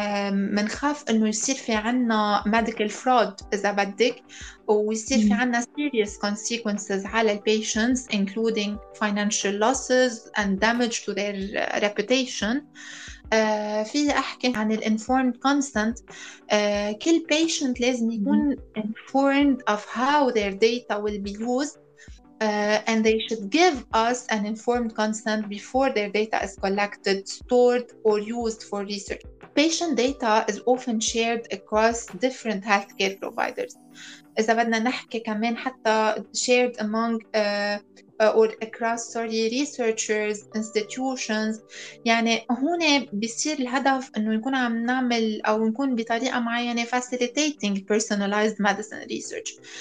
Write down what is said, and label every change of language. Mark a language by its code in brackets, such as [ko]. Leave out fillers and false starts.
[ar] منخاف انه يصير في عنا [en] medical fraud [ar] اذا بدك ويصير في عنا [en] serious consequences على patients including financial losses and damage to their reputation. [ar] في احكي عن informed consent. [en] كل patient [ar] لازم يكون [en] informed of how their data will be used, and they should give us an informed consent before their data is collected, stored or used for research. Patient data is often shared across different healthcare providers. [ar] إذا بدنا نحكي كمان حتى [en] shared among or across sorry researchers, institutions, [ar] يعني هون بيصير الهدف إنه نكون عم نعمل أو نكون بطريقة معينة [en] facilitating personalized medicine research.